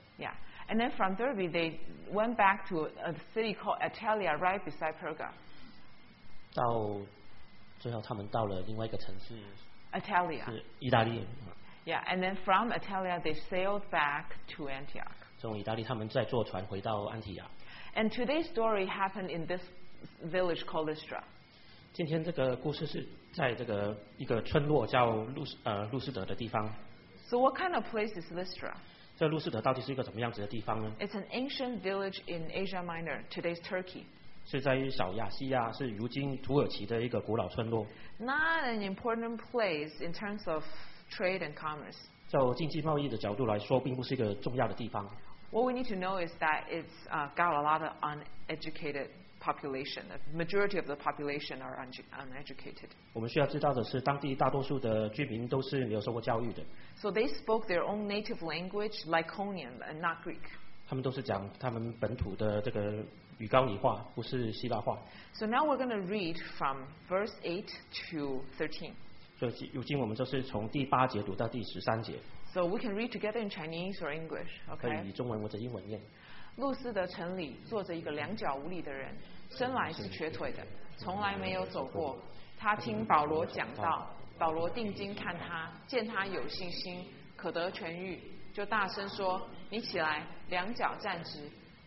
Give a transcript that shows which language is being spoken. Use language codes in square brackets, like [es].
[en] ，yeah， and then from Derbe they went back to a city called Attalia right beside Perga， [zh] 到最后他们到了另外一个城市 [en] ，Attalia， [zh] 是意大利。 [en] Yeah, and then from Italia, they sailed back to Antioch. [zh] 从意大利，他们再坐船回到安提亚。 [en] And today's story happened in this village called Lystra. [zh] 今天这个故事是在这个一个村落叫路斯德的地方。 [en] So what kind of place is Lystra? [zh] 这路斯德到底是一个怎么样子的地方呢 [en] ？It's an ancient village in Asia Minor, today's Turkey. [zh] 是在小亚细亚，是如今土耳其的一个古老村落。 [en] Not an important place in terms of trade and commerce. [zh] 就经济贸易的角度来说，并不是一个重要的地方。 [en] What we need to know is that it's got a lot of uneducated population. The majority of the population are uneducated. [zh] 我们需要知道的是，当地大多数的居民都是没有受过教育的。 [en] So they spoke their own native language, Lyconian, and not Greek. [zh] 他们都是讲他们本土的这个语高尼话，不是希腊话。 [en] So now we're going to read from verse 8 to 13. [zh] 如今我们就是从第八节读到第十三节。 [en] So we can read together in Chinese or English, okay? [zh] 可以以中文或者英文念。路斯的城里坐着一个两脚无力的人，生来是瘸腿的，从来没有走过。他听保罗讲道，保罗定睛看他，见他有信心，可得痊愈，就大声说：“你起来，两脚站直。”